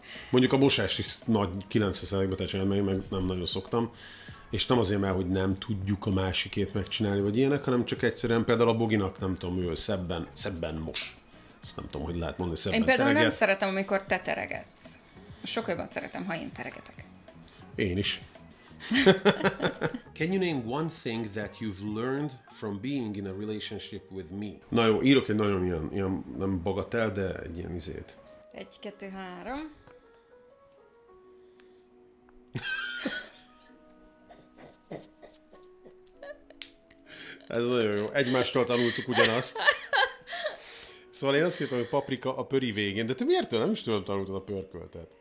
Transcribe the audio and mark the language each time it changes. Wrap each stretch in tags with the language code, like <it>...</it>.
<hu>Mondjuk a mosás is nagy 90%-ba te csinálj, meg nem nagyon szoktam. És nem azért, mert hogy nem tudjuk a másikét megcsinálni, vagy ilyenek, hanem csak egyszerűen például a Boginak, nem tudom, ő szebben mos. Ezt nem tudom, hogy lehet mondani, szebben tereget. Én például tereget. Nem szeretem, amikor te teregetsz. Sok jobban szeretem, ha én teregetek. Én is.</hu> <en>Can you name one thing that you've learned from being in a relationship with me?</en> <hu>Na jó, írok egy nagyon ilyen nem bagatell, de egy ilyen izét. 1-2-3. Ez nagyon jó. Egymástól tanultuk ugyanazt. Szóval én azt hittem, hogy paprika a pöri végén, de te miért tőlem is tőlem tanultad a pörköltet?</hu>